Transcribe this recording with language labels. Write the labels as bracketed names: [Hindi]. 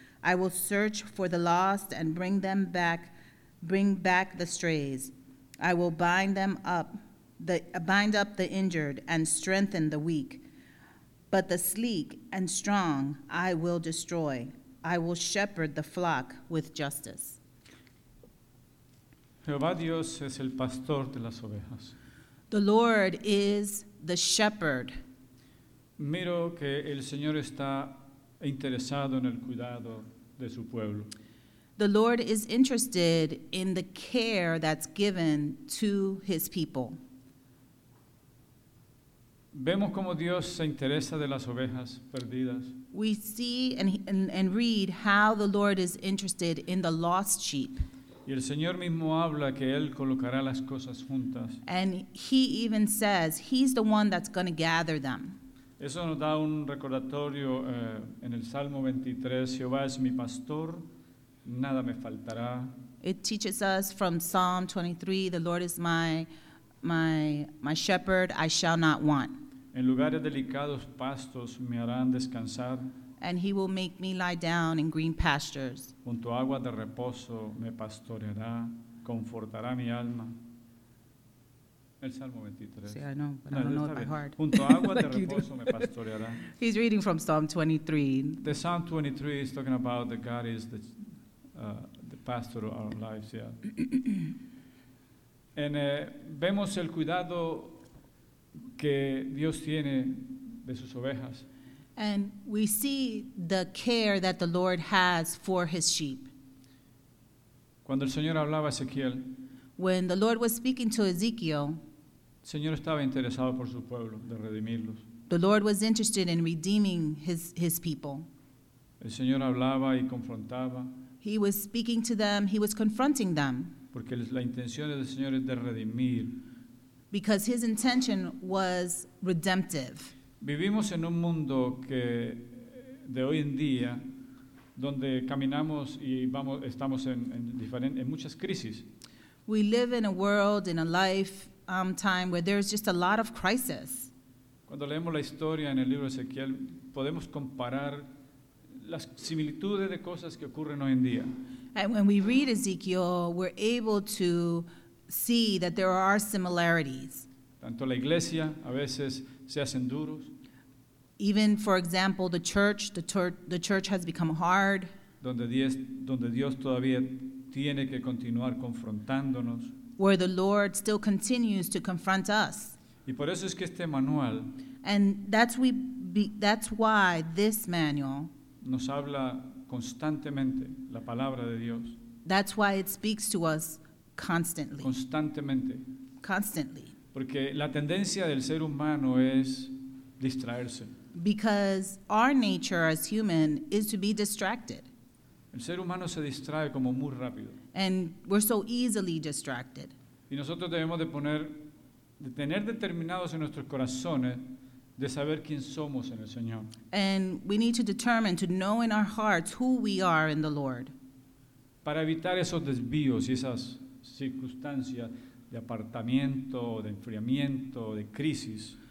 [English] I will search for the lost and bring back the strays. I will bind up the injured and strengthen the weak. But the sleek and strong I will destroy. I will shepherd the flock with justice. [Spanish] Jehová Dios es el pastor de las ovejas. [English] The Lord is the shepherd. [Spanish] Miro que el Señor está interesado en el cuidado de su pueblo. [English] The Lord is interested in the care that's given to his people. [Spanish] Vemos cómo Dios se interesa de las ovejas perdidas. [English] We see and read how the Lord is interested in the lost sheep. [Spanish] Y el Señor mismo habla que Él colocará las cosas juntas. [English] And he even says he's the one that's going to gather them. [Spanish] Eso nos da un recordatorio en el Salmo 23, Jehová es mi pastor, nada me faltará. [English] It teaches us from Psalm 23, the Lord is my shepherd, I shall not want. [Spanish] En lugares delicados, pastos me harán descansar. [English] And he will make me lie down in green pastures. [Spanish] Junto a aguas de reposo me pastoreará, confortará mi alma. El Salmo 23. [English] See, I know, but no, I don't know it by heart. [Spanish] Junto a aguas like de reposo me pastoreará. [English] He's reading from Psalm 23. The Psalm 23 is talking about that God is the pastor of our lives, yeah. [Spanish] En vemos el cuidado que Dios tiene de sus ovejas. [English] And we see the care that the Lord has for his sheep. [Spanish] Cuando el Señor hablaba a Ezequiel, [English] when the Lord was speaking to Ezekiel, [Spanish] el Señor estaba interesado por su pueblo, de redimirlos. [English] The Lord was interested in redeeming his people. [Spanish] El Señor hablaba y confrontaba. [English] He was speaking to them, he was confronting them. [Spanish] Porque la intención del Señor es de redimir. [English] Because his intention was redemptive. [Spanish] Vivimos en un mundo que de hoy en día donde caminamos y vamos estamos en muchas crisis. [English] We live in a world in a life time where there's just a lot of crisis. [Spanish] Cuando leemos la historia en el libro de Ezequiel podemos comparar las similitudes de cosas que ocurren hoy en día. [English] And when we read Ezekiel, we're able to see that there are similarities. [Spanish] Tanto la iglesia a veces se hacen duros. [English] Even, for example, the church has become hard. [Spanish] Donde Dios todavía tiene que continuar confrontándonos. [English] Where the Lord still continues to confront us. [Spanish] Y por eso es que este manual. [English] And that's why this manual. [Spanish] Nos habla constantemente la palabra de Dios. [English] That's why it speaks to us constantly. [Spanish] Constantemente. [English] Constantly. [Spanish] Porque la tendencia del ser humano es distraerse. [English] Because our nature as human is to be distracted. [Spanish] El ser humano se distrae como muy rápido. [English] And we're so easily distracted. [Spanish] Y nosotros debemos de poner, de tener determinados en nuestros corazones de saber quién somos en el Señor. [English] And we need to determine to know in our hearts who we are in the Lord. [Spanish] Para evitar esos desvíos y esas circunstancias de apartamiento, de enfriamiento, de crisis.